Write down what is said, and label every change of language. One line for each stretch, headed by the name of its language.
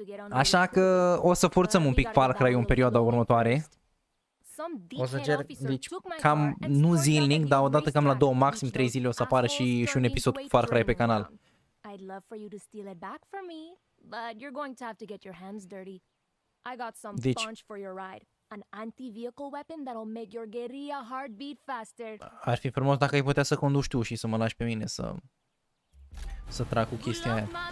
Romanian: Așa că o să forțăm un pic Far Cry în perioada următoare. O să încerc, deci, cam nu zilnic, dar odată cam la 2, maxim 3 zile o să apară și un episod cu Far Cry pe canal.
English: I'd love for you to steal it back from me, but you're going to have to get your hands dirty. I got some punch for your ride. An anti-vehicle weapon that'll make your guerrilla heartbeat faster.
Romanian: Ar fi frumos dacă ai putea să conduci tu și să mă lași pe mine să trag cu chestia aia.